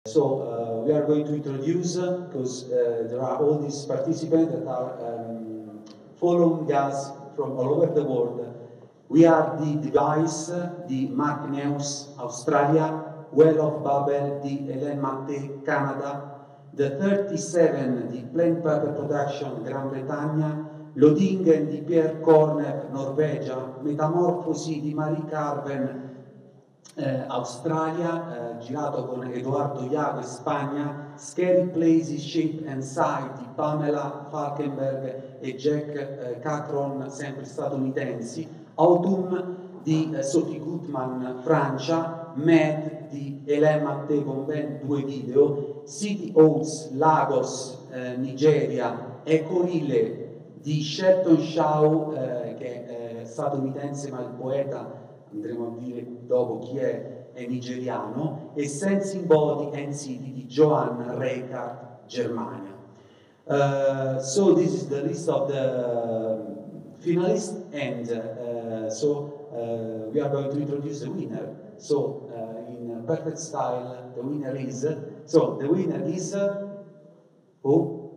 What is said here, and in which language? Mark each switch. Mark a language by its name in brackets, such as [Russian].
[English] So we are going to introduce, because there are all these participants that are following us from all over the world. We are the device, the Mark Neus Australia, Well of Babel, the Hélène Maté Canada, the 37, the Plant Paper Production Gran Bretagna, Lodingen di Pierre Corner Norvegia, Metamorfosi di Marie Carven [Italian] Australia, girato con Edoardo Iago in Spagna, Scary Places, Shape and Sight di Pamela Falkenberg e Jack Cacron, sempre statunitensi, Autumn di Sophie Goodman, Francia, Mad di Hélène Maté con ben due video, City Oats, Lagos, Nigeria, Eco Rile di Shelton Shaw, che è statunitense ma il poeta, andremo a dire dopo chi è nigeriano, e Sensing Body and City di Johann Reichardt, Germania. [English] So this is the list of the finalists, and we are going to introduce the winner. So in perfect style, the winner is, who?